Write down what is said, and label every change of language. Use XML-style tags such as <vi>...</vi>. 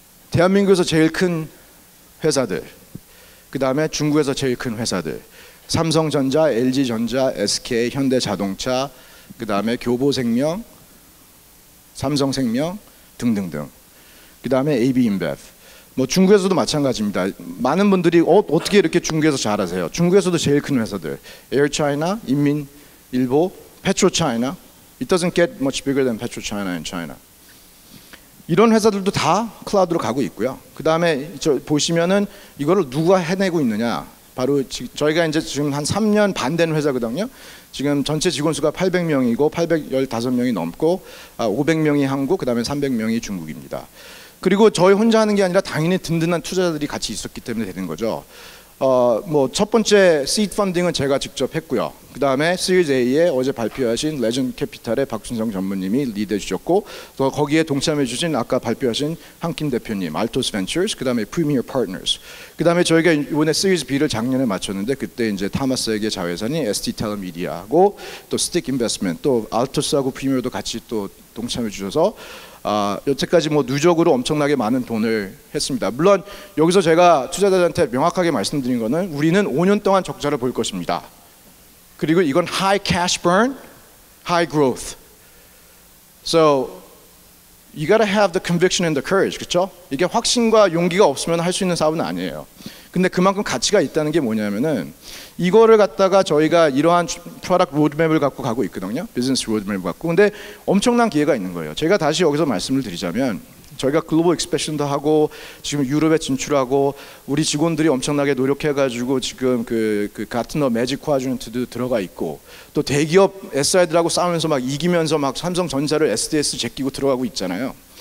<ko>대한민국에서 제일 큰 회사들, 그 다음에 중국에서 제일 큰 회사들, 삼성전자, LG전자, SK, 현대자동차, 그 다음에 교보생명, 삼성생명 등등등, 그 다음에 AB InBev. 뭐 중국에서도 마찬가지입니다. 많은 분들이 어떻게 이렇게 중국에서 잘 하세요? 중국에서도 제일 큰 회사들, 에어차이나, 인민일보, 페트로차이나.</ko> <en>It doesn't get much bigger than PetroChina in China.</en> <ko>이런 회사들도 다 클라우드로 가고 있고요. 그 다음에 보시면은 이거를 누가 해내고 있느냐? 바로 저희가 이제 지금 한 3년 반 된 회사거든요. 지금 전체 직원 수가 800명이고 815명이 넘고 500명이 한국, 그 다음에 300명이 중국입니다. 그리고 저희 혼자 하는 게 아니라 당연히 든든한 투자자들이 같이 있었기 때문에 되는 거죠. 뭐 첫 번째 시드 펀딩은 제가 직접 했고요. 그 다음에 시리즈 A에 어제 발표하신 레전드 캐피탈의 박준성 전무님이 리드해 주셨고 또 거기에 동참해 주신 아까 발표하신 한킴 대표님, 알토스 벤처스, 그 다음에 프리미어 파트너스, 그 다음에 저희가 이번에 시리즈 B를 작년에 마쳤는데 그때 이제 타마스에게 자회사인 ST텔레미디어하고 또 스틱 인베스트먼트, 또 알토스하고 프리미어도 같이 또 동참해 주셔서 여태까지 뭐 누적으로 엄청나게 많은 돈을 했습니다. 물론 여기서 제가 투자자들한테 명확하게 말씀드린 거는 우리는 5년 동안 적자를 볼 것입니다. 그리고 이건</ko> <en>high cash burn, high growth. So you gotta have the conviction and the courage,</en> <ko>그렇죠? 이게 확신과 용기가 없으면 할 수 있는 사업은 아니에요. 근데 그만큼 가치가 있다는 게 뭐냐면은 이거를 갖다가 저희가 이러한 프로덕트 로드맵을 갖고 가고 있거든요. 비즈니스 로드맵을 갖고. 근데 엄청난 기회가 있는 거예요. 제가 다시 여기서 말씀을 드리자면 저희가 글로벌 익스펜션도 하고 지금 유럽에 진출하고 우리 직원들이 엄청나게 노력해가지고 지금 그 가트너 매직 쿼드런트도 들어가 있고 또 대기업 SI들하고 싸우면서 막 이기면서 막 삼성전자를 SDS 제끼고 들어가고 있잖아요.</ko>